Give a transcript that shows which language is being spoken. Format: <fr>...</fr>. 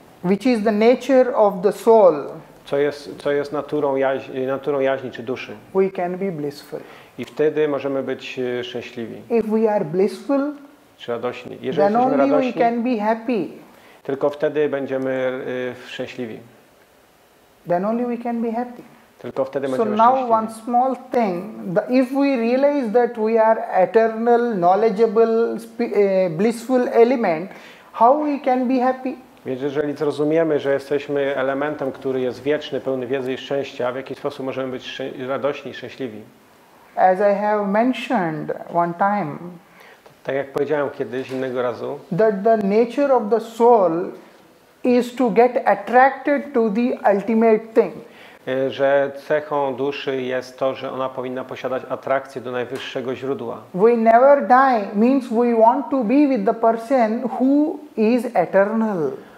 <en>Which is the nature of the soul.</en> <pl>Co jest naturą jaźni czy duszy.</pl> <en>We can be blissful.</en> <pl>I wtedy możemy być szczęśliwi.</pl> <en>If we are blissful,</en> <pl>czy radośni. Jeżeli</pl> <en>then</en> <pl>jesteśmy radośni,</pl> <en>only we can be happy.</en> <pl>Tylko wtedy będziemy szczęśliwi.</pl> <en>Then only we can be happy.</en> <pl>Tylko wtedy</pl> <en>so</en> <pl>będziemy</pl> <en>now</en> <pl>szczęśliwi.</pl> <en>One small thing, if we realize that we are eternal, knowledgeable, blissful element, how we can be happy?</en> <pl>Więc jeżeli zrozumiemy, że jesteśmy elementem, który jest wieczny, pełny wiedzy i szczęścia, w jaki sposób możemy być radośni i szczęśliwi?</pl> <en>As I have mentioned one time,</en> <pl>tak jak powiedziałem kiedyś innego razu,</pl> <en>that the nature of the soul is to get attracted to the ultimate thing.</en> <pl>Że cechą duszy jest to, że ona powinna posiadać atrakcję do najwyższego źródła.</pl> <en>We never die means we want to be with the person who is eternal.</en>